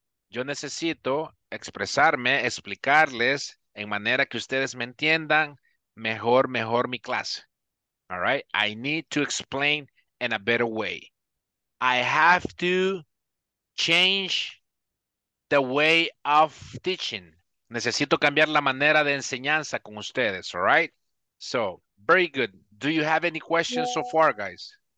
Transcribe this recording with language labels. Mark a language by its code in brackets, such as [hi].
[es] Yo necesito expresarme, explicarles en manera que ustedes me entiendan mejor, mejor mi clase. [en] All right? I need to explain in a better way. I have to change the way of teaching. [es] Necesito cambiar la manera de enseñanza con ustedes, [en] all right? So, very good. Do you have any questions so far, guys?